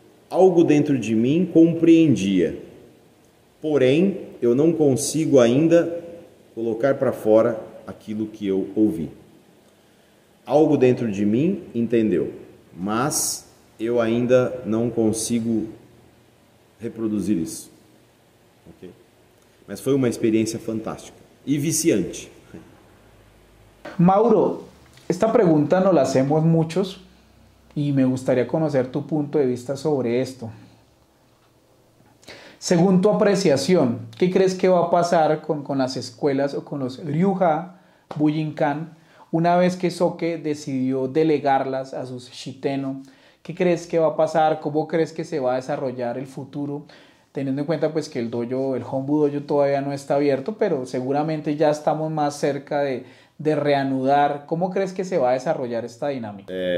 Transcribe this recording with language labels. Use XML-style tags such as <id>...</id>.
<pt>algo dentro de mim compreendia, porém eu não consigo ainda colocar para fora aquilo que eu ouvi. Algo dentro de mim entendeu, mas eu ainda não consigo reproduzir isso. Okay? Mas foi uma experiência fantástica e viciante.</pt> <es>Mauro, esta pergunta nos la hacemos muchos. Y me gustaría conocer tu punto de vista sobre esto. Según tu apreciación, ¿qué crees que va a pasar con las escuelas o con los Ryuha Bujinkan una vez que Soke decidió delegarlas a sus Shiteno? ¿Qué crees que va a pasar? ¿Cómo crees que se va a desarrollar el futuro? Teniendo en cuenta pues, que el dojo, el Honbu Dojo todavía no está abierto, pero seguramente ya estamos más cerca de reanudar. Como crees que se vai desarrollar esta dinâmica?</es>